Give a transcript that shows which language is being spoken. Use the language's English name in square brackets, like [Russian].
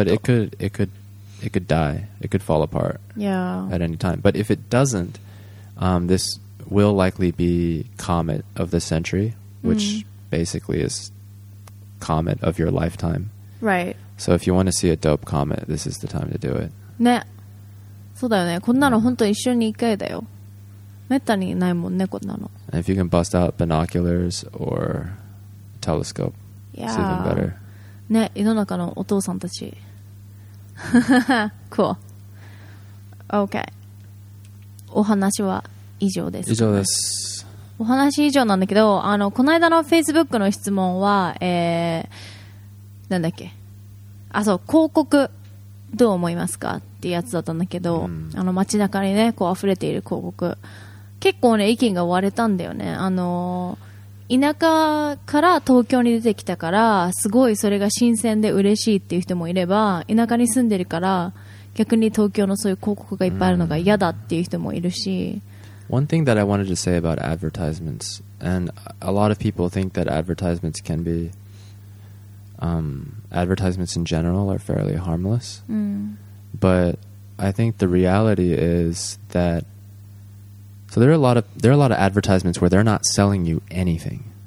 [English] But it could die. It could fall apart. Yeah. At any time. But if it doesn't, this will likely be comet of the century, which basically is comet of your lifetime. Right. So if you want to see a dope comet, this is the time to do it. [Japanese] ね。そうだよね。こんなの本当一生に一回だよ。めったにないもんね、こんなの。 [English] And if you can bust out binoculars or telescope, yeah, it's even better. [Japanese] ね、世の中のお父さんたち。 [English] Cool. Okay. [Japanese] お話は以上です。以上です。お話以上なんだけど、この間の Facebook の質問は、なんだっけ、あ、そう、広告どう思いますかっていうやつだったんだけど、街中にね、こう溢れている広告、結構ね、意見が割れたんだよね。田舎から東京に出てきたからすごいそれが新鮮で嬉しいっていう人もいれば、田舎に住んでるから逆に東京のそういう広告がいっぱいあるのが嫌だっていう人もいるし。 [English] One thing that I wanted to say about advertisements, and a lot of people think that advertisements can be, advertisements in general are fairly harmless. But I think the reality is that, so there are a lot of advertisements where they're not selling you anything.